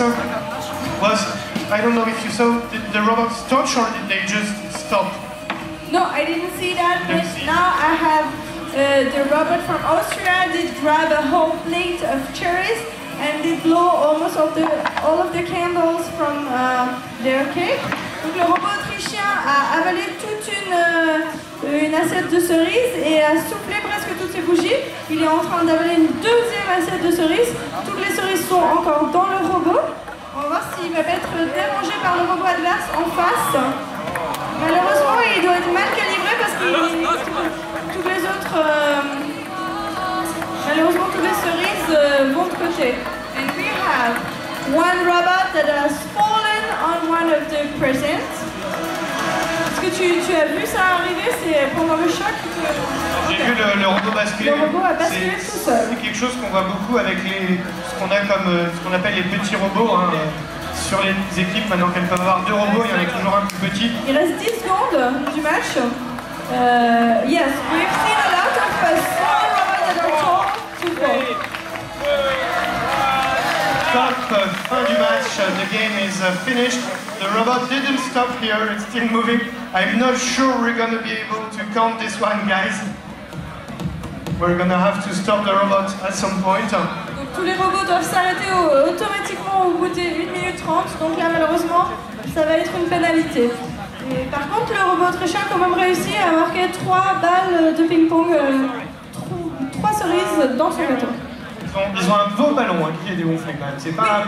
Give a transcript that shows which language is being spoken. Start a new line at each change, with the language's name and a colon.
English: I don't know if you saw, did the robots touch or did they just stop? No, I didn't see that, but now I have the robot from Austria did grab a whole plate of cherries and did blow almost all of the candles from their cake.
French: Donc le robot autrichien a avalé toute une assiette de cerises et a soufflé presque toutes ses bougies. Il est en train d'avaler une deuxième assiette de cerises. Toutes les cerises sont encore dans le robot. On va voir s'il va être démangé par le robot adverse en face. Malheureusement, il doit être mal calibré parce que toutes les cerises vont de côté.
English: And we have one robot that has fallen on one of the presents.
French: Est-ce que tu as vu ça arriver? C'est pendant le choc que... J'ai vu le robot basculer. Le robot a basculé tout seul. C'est quelque chose qu'on voit beaucoup avec ce qu'on appelle les petits robots. Hein. Sur les équipes, maintenant qu'elles peuvent avoir deux robots, il y en a toujours un plus petit. Il reste 10 secondes du match.
English: Yes, we've seen a lot of small robots that are tall to fall.
French: Top, fin du match.
English: The game is finished. The robot didn't stop here, it's still moving. I'm not sure we're gonna be able to count this one, guys. We're gonna have to stop the robot at some point.
French: Tous les robots doivent s'arrêter automatiquement au bout des 1 minute 30, donc là malheureusement ça va être une pénalité. Et par contre le robot autrichien a quand même réussi à marquer 3 balles de ping-pong, 3 cerises dans son gâteau. Ils ont un beau ballon hein, qui est dégonflé quand même, c'est pas